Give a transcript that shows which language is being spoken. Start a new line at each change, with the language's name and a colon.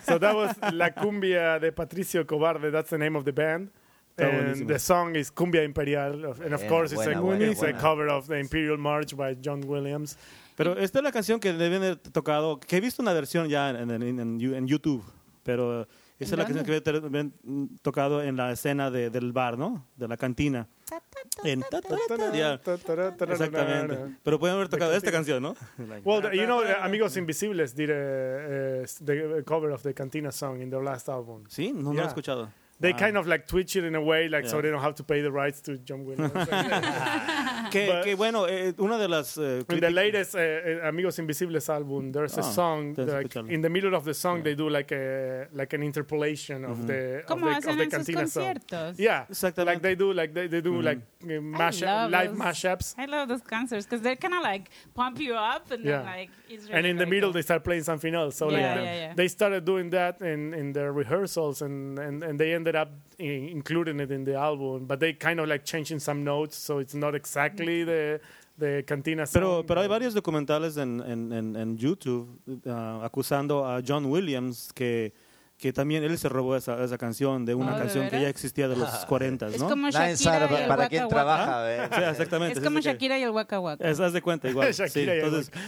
English: So that was La Cumbia de Patricio Cobarde. That's the name of the band. And the song is Cumbia Imperial. And of course, it's a cover of the Imperial March by John Williams.
Spanish: Pero esta es la canción que deben haber tocado, que he visto una versión ya en YouTube, pero esa es la canción que deben tocado en la escena del bar, ¿no? De la cantina. Exactamente. Pero pueden haber tocado esta canción, ¿no?
English: Well, you know, Amigos Invisibles did the cover of the Cantina song in their last album.
Spanish: ¿Sí? No lo he escuchado.
English: They kind of like twitch it in a way, like so they don't have to pay the rights to John Williams.
Spanish: Que bueno, una de las
English: in the latest Amigos Invisibles album, there's a song like, in the middle of the song they do like an interpolation of the cantina song. Yeah, exactly. Like they do live mashups. I love those concerts because they kind of like pump you up and then like it's really and in the middle they start playing something else. So they started doing that in their rehearsals and they ended up including it in the album, but they kind of like changing some notes, so it's not exactly the cantina song.
Spanish: Pero hay varios documentales en YouTube acusando a John Williams que también él se robó esa canción de una canción que ya existía de los 40s, ¿no? Es como Shakira para quien trabaja, ¿eh? Sí, exactamente. Es como Shakira y el Waka Waka. Eso haz de cuenta igual. Sí, entonces